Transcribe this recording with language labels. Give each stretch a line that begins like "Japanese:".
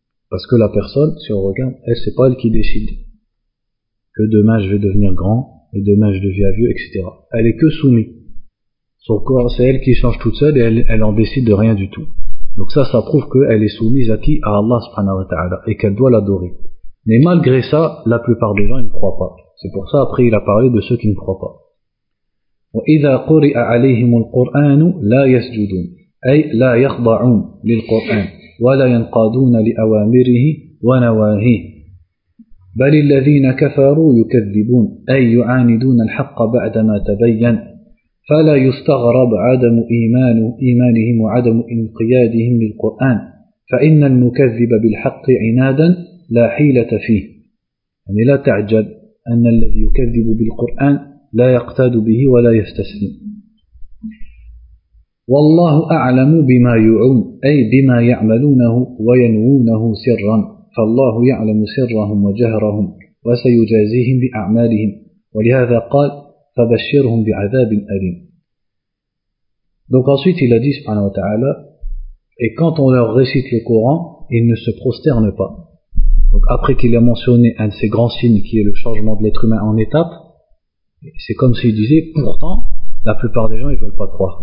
French: Parce que la personne, si on regarde, elle, c'est pas elle qui décide que demain je vais devenir grand, et demain je deviens vieux, etc. Elle est que soumise. Son corps, c'est elle qui change toute seule, et elle en décide de rien du tout. Donc ça prouve qu'elle est soumise à qui? À Allah subhanahu wa ta'ala, et qu'elle doit l'adorer. Mais malgré ça, la plupart des gens, ils ne croient pas. C'est pour ça, après, il a parlé de ceux qui ne croient pas.
Arabic: وَإِذَا قُرِئَ عَلَيْهِمُ الْقُرْآنُ لَا يَسْجُدُونَ أي لا يخضعون للقرآن ولا ينقادون لأوامره ونواهيه بل الذين كفروا يكذبون أي يعاندون الحق بعدما تبين فلا يستغرب عدم إيمانهم وعدم انقيادهم للقرآن فإن المكذب بالحق عنادا لا حيلة فيه يعني لا تعجب أن الذي يكذب بالقرآن لا يقتاد به ولا يستسلم والله أعلم بما يعون أي بما يعملونه وينوونه سرا فالله يعلم سرهم وجهرهم وسيجازيهم بأعمالهم ولهذا قال فبشرهم بعذاب أليم.
French: Donc ensuite il a dit subhanahu wa ta'ala, et quand on leur récite le Coran, ils ne se prosternent pas. Donc après qu'il a mentionné un de ces grands signes qui est le changement de l'être humain en étapes, c'est comme s'il disait pourtant la plupart des gens ils veulent pas croire.